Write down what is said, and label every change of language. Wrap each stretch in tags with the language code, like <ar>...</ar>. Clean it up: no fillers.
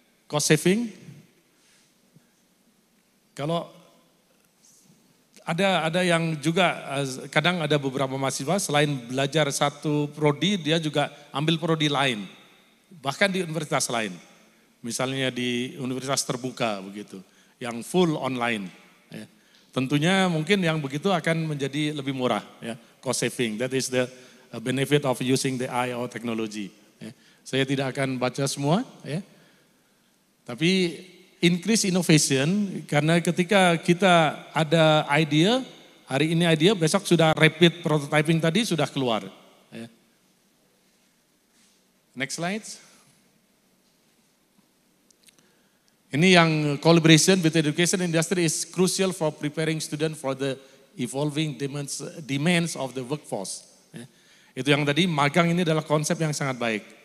<id>Cost saving, kalau ada yang juga kadang ada beberapa mahasiswa selain belajar satu prodi, dia juga ambil prodi lain, bahkan di universitas lain, misalnya di universitas terbuka begitu, yang full online. Ya. Tentunya mungkin yang begitu akan menjadi lebih murah, ya.</id> <en>Cost saving, that is the benefit of using the AI or technology.</en> <id>Ya. Saya tidak akan baca semua, ya. Tapi</id> <en>increase innovation,</en> <id>karena ketika kita ada idea, hari ini idea, besok sudah rapid prototyping tadi sudah keluar.</id> <en>Next slide.</en> <id>Ini yang</id> <en>collaboration with education industry is crucial for preparing students for the evolving demands of the workforce.</en> <id>Itu yang tadi, magang ini adalah konsep yang sangat baik.</id>